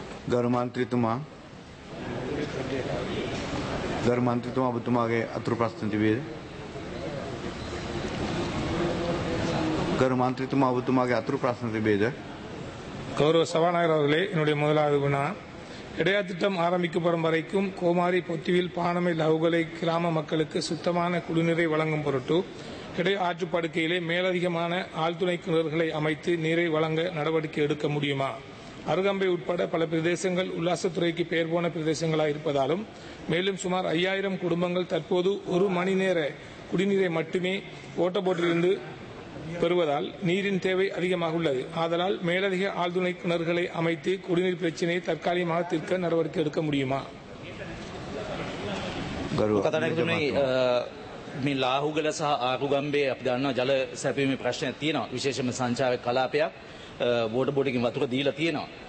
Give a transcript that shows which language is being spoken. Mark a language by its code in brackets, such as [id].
[si] ගරු මන්ත්‍රීතුමා ඔබතුමාගේ අතුරු ප්‍රශ්න තිබේද? ගරු මන්ත්‍රීතුමා ඔබතුමාගේ අතුරු ප්‍රශ්න තිබේද? ගෞරව සභානායකවරුලේ [ta] என்னுடைய முதலாவது குணா இடையாத்திட்டம் ஆரம்பிக்கப்படும் வரைக்கும் கோமாரி பொத்திவில் பானமை லவுகளை கிராம மக்களுக்கு சுத்தமான குடிநீரை வழங்கும் பொருட்டு இடை ஆற்றுப்படுக்கையிலே மேலதிகமான ஆழ்துணை கிணறுகளை அமைத்து நீரை வழங்க நடவடிக்கை எடுக்க முடியுமா? அருகம்பை உட்பட பல பிரதேசங்கள் உல்லாசத்துறைக்கு பெயர் போன பிரதேசங்களாக இருப்பதாலும் மேலும் சுமார் 5000 குடும்பங்கள் தற்போது 1 மணி நேர குடிநீரை மட்டுமே ஓட்டபோட்டிலிருந்து பெறுவதால் நீரின் தேவை அதிகமாக உள்ளது. ஆதலால் மேலதிக ஆழ்துணை கிணறுகளை அமைத்து குடிநீர் பிரச்சினையை தற்காலிகமாக தீர்க்க நடவடிக்கை எடுக்க முடியுமா? [si] මේ ලාහුගල සහ ආරුගම්බේ අපි දන්නවා ජල සැපීමේ ප්‍රශ්නයක් තියෙනවා. විශේෂයෙන්ම සංචාරක කලාපයක් බෝඩ බෝඩකින් වතුර දීලා තියෙනවා.